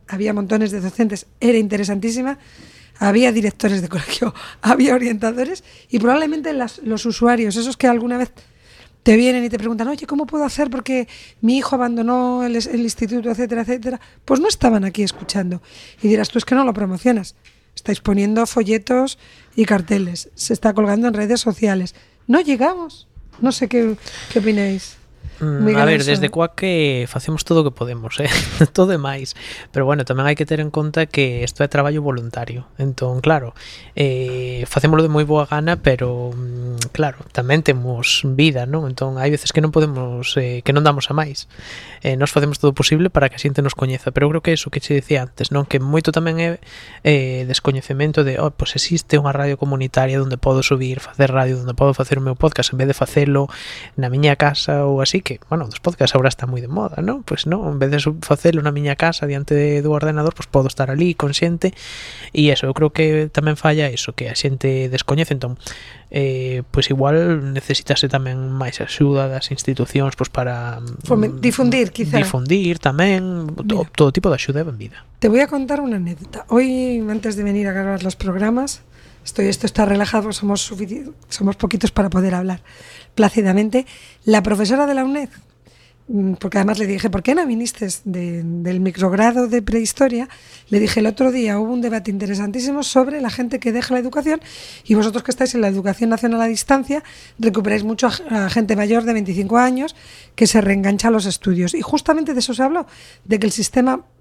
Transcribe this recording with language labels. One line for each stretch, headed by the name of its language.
Spanish: Había montones de docentes, era interesantísima. Había directores de colegio, había orientadores y probablemente los usuarios, esos que alguna vez te vienen y te preguntan, oye, ¿cómo puedo hacer porque mi hijo abandonó el instituto, etcétera, etcétera? Pues no estaban aquí escuchando. Y dirás, tú es que no lo promocionas. Estáis poniendo folletos y carteles, se está colgando en redes sociales. No llegamos. No sé qué opináis.
Galician: A ver, desde CUAC facemos todo o que podemos, todo e máis. Pero bueno, tamén hai que ter en conta que isto é traballo voluntario. Entón, claro, facémoslo de moi boa gana, pero claro, tamén temos vida, non? Entón, hai veces que non podemos, que non damos a máis. Nos facemos todo o posible para que a xente nos coñeza. Pero eu creo que é iso que te decía antes, non? Que moito tamén é descoñecemento de, pues existe unha radio comunitaria donde podo subir, facer radio, donde podo facer o meu podcast, en vez de facelo na miña casa ou así. Que, bueno, os podcasts agora están moi de moda, ¿no? Pues no, en vez de facelo na miña casa diante do ordenador, pues podo estar ali consciente, e eso, eu creo que tamén falla eso, que a xente descoñece. Entón, pues igual necesitase tamén máis axuda das institucións, pues para difundir, quizá. Difundir tamén. Mira, todo tipo de axuda en vida.
Spanish: Te voy a contar
Galician: unha anécdota.
Spanish: Hoy, antes de venir a grabar los programas, esto está relajado, somos poquitos para poder hablar plácidamente. La profesora de la UNED, porque además le dije, ¿por qué no viniste del microgrado de prehistoria? Le dije, el otro día hubo un debate interesantísimo sobre la gente que deja la educación, y vosotros que estáis en la educación nacional a distancia, recuperáis mucho a gente mayor de 25 años que se reengancha a los estudios. Y justamente de eso se habló, de que el sistema